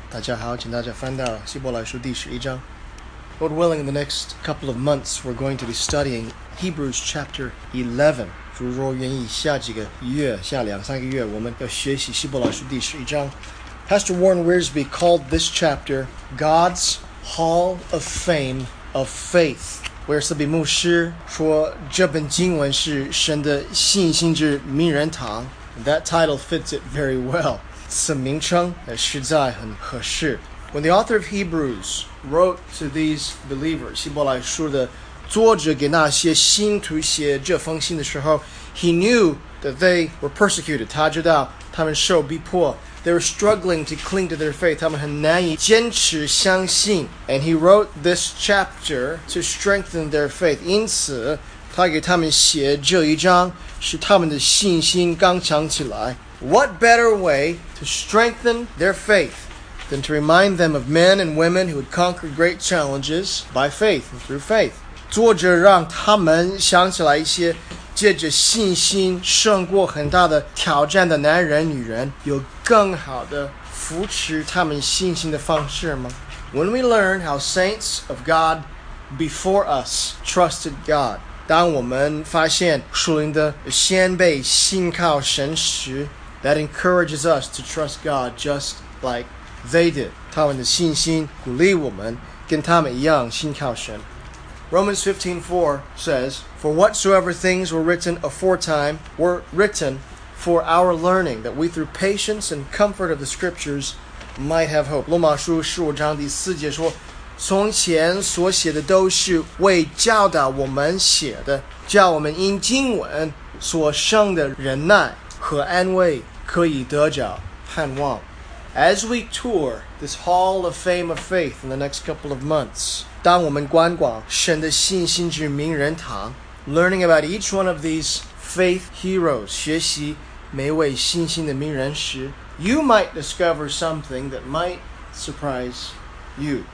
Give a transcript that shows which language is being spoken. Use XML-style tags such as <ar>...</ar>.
<zh>大家好，请大家翻到希伯来书第十一章。</zh> <en>Lord willing, in the next couple of months, we're going to be studying Hebrews chapter 11.</en> <zh>主若愿意，下几个月，下两三个月，我们要学习希伯来书第十一章。</zh> <en>Pastor Warren Wiersbe called this chapter God's Hall of Fame of Faith.</en> <zh>Wiersbe 牧师说这本经文是神的信心之名人堂。</zh> <en>That title fits it very well.</en> <zh>此名称实在很合适。</zh> <en>When the author of Hebrews wrote to these believers,</en> <zh>希伯来书的作者给那些信徒写这封信的时候,</zh> <en>he knew that they were persecuted.</en> <zh>他知道他们受逼迫。</zh> <en>They were struggling to cling to their faith.</en> <zh>他们很难以坚持相信。</zh> <en>And he wrote this chapter to strengthen their faith.</en> <zh>因此他给他们写这一章使他们的信心刚强起来。</zh> <en>What better way to strengthen their faith than to remind them of men and women who had conquered great challenges by faith and through faith?</en> <zh>作者让他们想起来一些借着信心胜过很大的挑战的男人女人，有更好的扶持他们信心的方式吗？</zh> <en>When we learn how saints of God before us trusted God,</en> <zh>当我们发现属灵的先辈信靠神时</zh> <en>that encourages us to trust God just like they did.</en> <zh>他们的信心鼓励我们跟他们一样信靠神。</zh> <en>Romans 15:4 says, For whatsoever things were written aforetime were written for our learning, that we through patience and comfort of the scriptures might have hope.</en> <zh>罗马书十五章第四节说从前所写的都是为教导我们写的，叫我们因经文所生的忍耐和安慰可以得着盼望。</zh> <en>As we tour this Hall of Fame of Faith in the next couple of months,</en> <zh>当我们观光神的信心之名人堂</zh> <en>learning about each one of these faith heroes,</en> <zh>学习每位信心的名人时</zh> <en>you might discover something that might surprise you.</en>